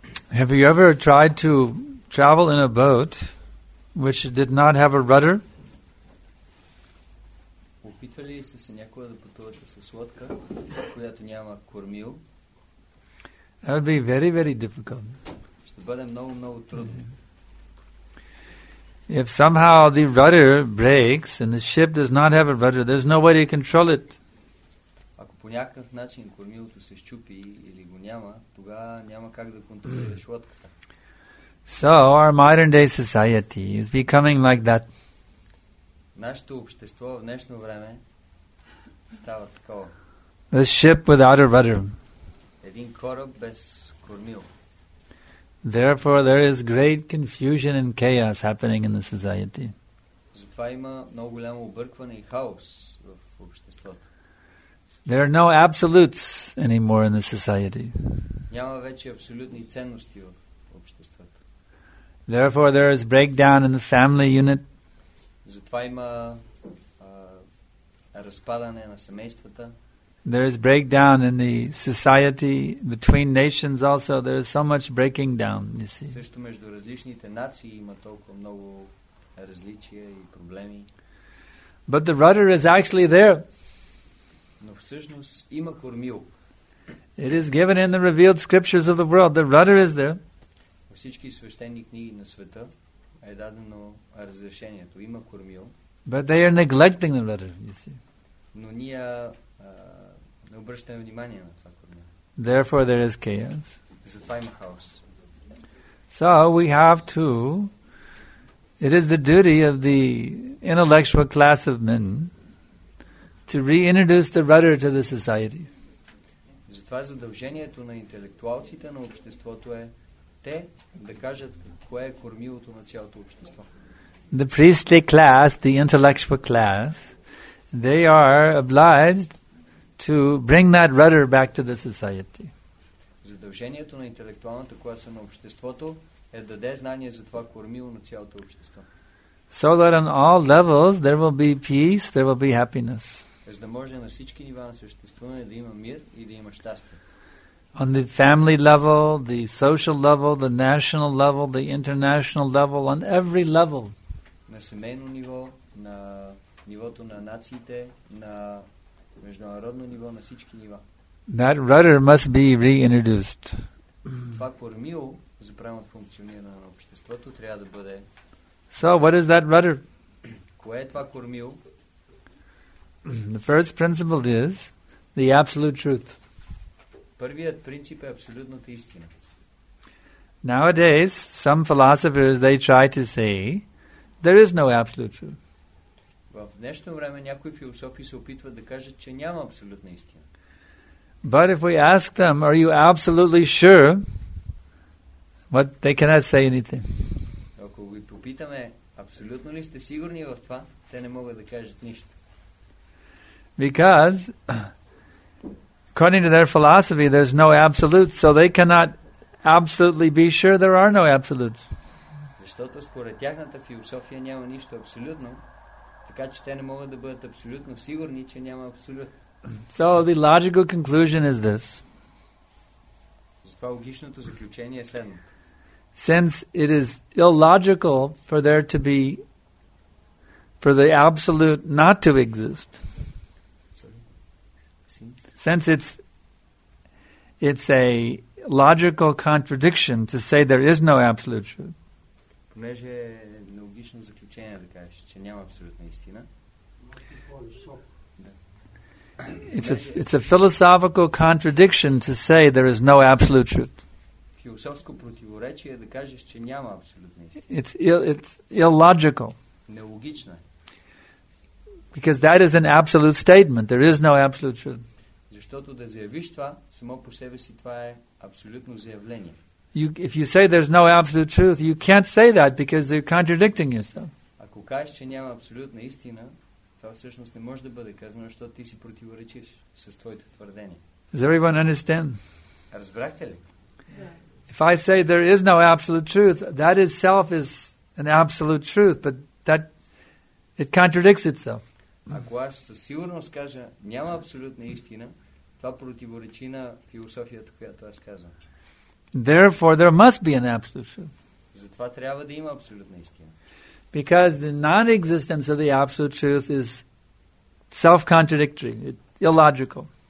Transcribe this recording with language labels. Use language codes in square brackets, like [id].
[en] Have you ever tried to travel in a boat which did not have a rudder? [bg] Опитвали ли сте се някога да пътувате с лодка, която няма кормил? [en] That would be very, very difficult. [bg] Ще бъде много, много трудно. [en] If somehow the rudder breaks and the ship does not have a rudder, there's no way to control it. [bg] Ако по някакъв начин кормилото се счупи или го няма, тогава няма как да контролираш лодката. [en] So our modern day society is becoming like that. [bg] Нашето общество в днешно време става такова. [en] The ship without a rudder. [bg] Един кораб без кормил. [en] Therefore there is great confusion and chaos happening in the society. [bg] Затова има много голямо объркване и хаос в обществото. [en] There are no absolutes anymore in the society. [bg] Няма вече абсолютни ценности в обществото. [en] Therefore, there is breakdown in the family unit. [bg] Затова има разпадане на семействата. [en] There is breakdown in the society between nations also. There is so much breaking down, you see. [bg] Също между различните нации има толкова много различия и проблеми. [en] But the rudder is actually there. [bg] Но всъщност има кормил. [en] It is given in the revealed scriptures of the world. The rudder is there. [bg] Всички свещени книги на света е дадено разрешението. Има кормил. [en] But they are neglecting the rudder, you see. [bg] Но ние не обръщаме внимание на това кормил. [en] Therefore there is chaos. [bg] Затова има хаос. [en] So we have to, it is the duty of the intellectual class of men to reintroduce the rudder to the society. [bg] Затова задължението на интелектуалците на обществото е те да кажат кое е кормилото на цялото общество. [en] The priestly class, the intellectual class, they are obliged to bring that rudder back to the society. [bg] Задължението на интелектуалната класа на обществото е да даде знание за това кормило на цялото общество. [en] So that on all levels there will be peace, there will be happiness. [bg] За да може на всички нива на съществуване да има мир и да има щастие. [en] On the family level, the social level, the national level, the international level, on every level. [bg] На семейно ниво, на нивото на нациите, на международно ниво, на всички нива. [en] That rudder must be reintroduced. [bg] Това кормило за правилното функциониране на обществото трябва да бъде. [en] So, what is that rudder? [bg] Кое е това кормило? [en] The first principle is the absolute truth. [bg] Първият принцип е абсолютната истина. [en] Nowadays, some philosophers, they try to say, there is no absolute truth. [bg] В днешно време някои философи се опитват да кажат, че няма абсолютна истина. [en] But if we ask them, are you absolutely sure? But they cannot say anything. [bg] Ако ги попитаме, абсолютно ли сте сигурни в това, те не могат да кажат нищо. [en] Because according to their philosophy, there's no absolute, so they cannot absolutely be sure there are no absolutes. [bg] Защото според тяхната философия няма нищо абсолютно, така че те не могат да бъдат абсолютно сигурни, че няма абсолют. [en] So the logical conclusion is this. [bg] Затова логичното заключение е следното. [en] Since it is illogical for there to be, for the absolute not to exist. Since it's a logical contradiction to say there is no absolute truth. [bg] Понеже е логично заключение да кажеш, че няма абсолютна истина. [en] It's a philosophical contradiction to say there is no absolute truth. [bg] Философско противоречие да кажеш, че няма абсолютна истина. [en] It's illogical. [bg] Нелогично е. [en] Because that is an absolute statement. There is no absolute truth. [bg] Защото да заявиш това, само по себе си това е абсолютно заявление. [en] If you say there's no absolute truth, you can't say that because you're contradicting yourself. [bg] Ако кажеш, че няма абсолютна истина, това всъщност не може да бъде казано, защото ти си противоречиш с твоите твърдения. [en] Does everyone understand? [bg] Разбрахте ли? [en] If I say there is no absolute truth, that itself is an absolute truth, but that it contradicts itself. [bg] Ако аз със сигурност кажа, няма абсолютна истина, това противоречи на философията, която аз казвам. [en] Therefore, there must be an absolute truth. [bg] Затова трябва да има абсолютна истина. [en] Because the non-existence of the absolute truth is self-contradictory, it's illogical.